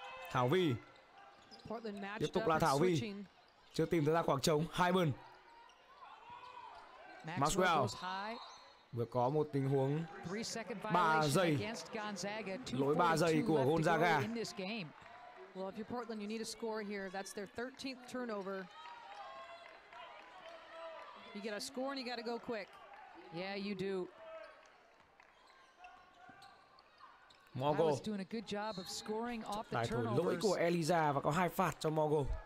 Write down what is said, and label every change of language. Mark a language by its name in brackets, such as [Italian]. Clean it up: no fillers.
[Vietnamese] Thảo Vy. Tiếp tục là Thảo Vy. Chưa tìm thấy ra khoảng trống. Hyman. Maxwell. Vừa có một tình huống 3 giây. Lỗi 3 giây của Gonzaga. [English] Well, if you're Portland, you need a score here. That's their 13th turnover. You get a score and you got to go quick. Yeah, you do. Mogo. I was doing a good job of scoring off the turnovers. [Vietnamese] Tài thủ lỗi của Eliza và có hai phạt cho Mogo.